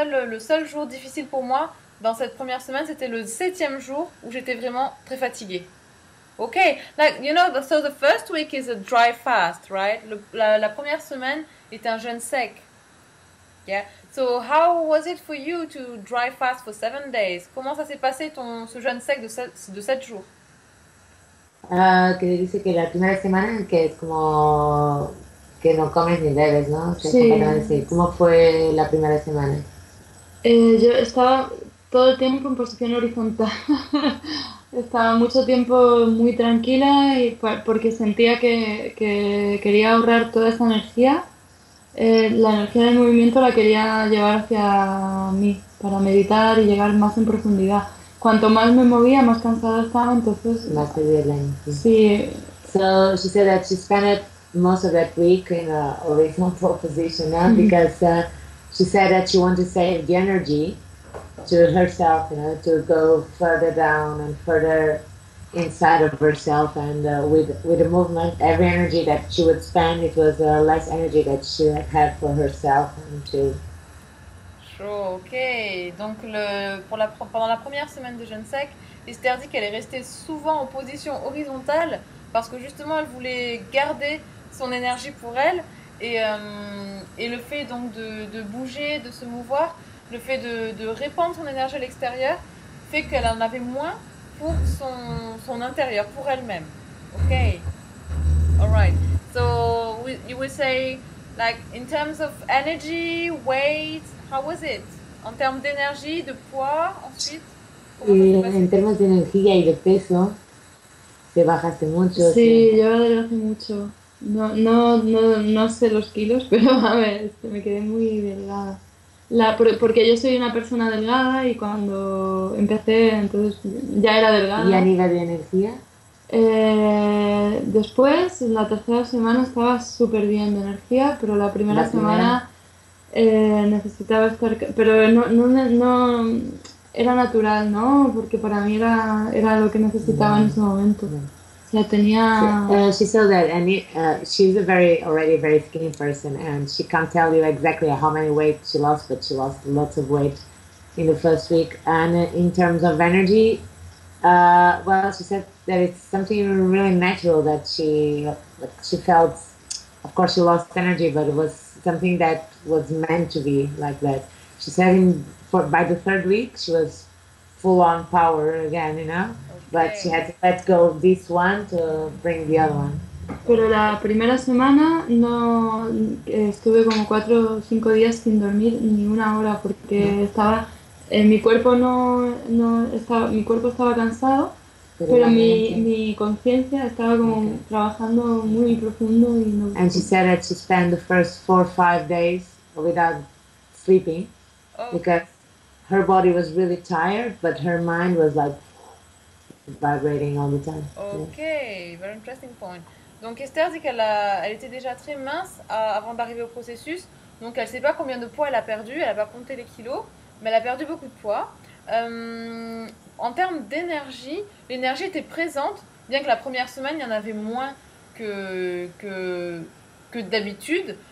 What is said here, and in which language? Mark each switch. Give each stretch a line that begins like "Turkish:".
French: Le seul jour difficile pour moi dans cette première semaine, c'était le septième jour où j'étais vraiment très fatiguée.
English: Okay, like you know, so the first week is a dry fast, right?
French: La première semaine est un jeûne sec.
English: Yeah. So how was it for you to dry fast for 7 days?
French: Comment ça s'est passé ce jeûne sec de 7 jours?
Spanish: Que dice que la primera semana que es como que no comes ni bebes, ¿no? Sí. ¿Cómo fue la primera semana? Yo estaba todo el tiempo en posición horizontal. Estaba mucho tiempo muy tranquila y porque sentía que quería ahorrar toda esa energía. La energía del movimiento la quería llevar hacia mí, para meditar y llegar más en profundidad. Cuanto más me movía, más cansada estaba, entonces. Más te dio la energía. Sí.
English: So she said that she spent most of that week in a horizontal position, ¿no? Because she said that she wanted to save the energy. To herself, you know, to go further down and further inside of herself, and with the movement, every energy that she would spend, it was less energy that she had for herself and to. Sure. Okay.
French: Donc pendant la première semaine de jeûne sec, Esther dit qu'elle est restée souvent en position horizontale parce que justement elle voulait garder son énergie pour elle et le fait donc de bouger, de se mouvoir. Le fait de répandre son énergie à l'extérieur fait qu'elle en avait moins pour son intérieur, pour elle-même.
English: Okay. All right. So you would say, like, in terms of energy, weight, how was it?
French: En termes d'énergie, de poids, ensuite.
Spanish: En termes d'énergie et de peso, te bajaste mucho. Sí, yo adelgacé mucho. No sé los kilos, pero a ver, me quedé muy delgada. Porque yo soy una persona delgada y cuando empecé, entonces ya era delgada. ¿Y a nivel de energía? Después, la tercera semana estaba súper bien de energía, pero la primera ¿La semana primera? Necesitaba estar. Pero no era natural, ¿no? Porque para mí era lo que necesitaba en ese momento. Bien. Yeah, tenía.
English: She said that, and she's a already very skinny person, and she can't tell you exactly how many weight she lost, but she lost lots of weight in the first week. And in terms of energy, well, she said that it's something really natural that she felt. Of course, she lost energy, but it was something that was meant to be like that. She said by the third week she was full on power again, you know. But she had to let go of this one to bring the other one.
Spanish: Pero la primera semana no estuve como 4 o 5 días sin dormir ni una hora porque estaba mi cuerpo no estaba mi cuerpo estaba cansado, pero mi conciencia estaba como trabajando muy profundo y no.
English: And she said that she spent the first 4 or 5 days without sleeping because her body was really tired, but her mind was like. vibrating all the time. Ok, very interesting point.
French: Donc Esther dit qu'elle était déjà très mince avant d'arriver au processus. Donc elle ne sait pas combien de poids elle a perdu, elle n'a pas compté les kilos, mais elle a perdu beaucoup de poids. En termes d'énergie, l'énergie était présente, bien que la première semaine, il y en avait moins que d'habitude.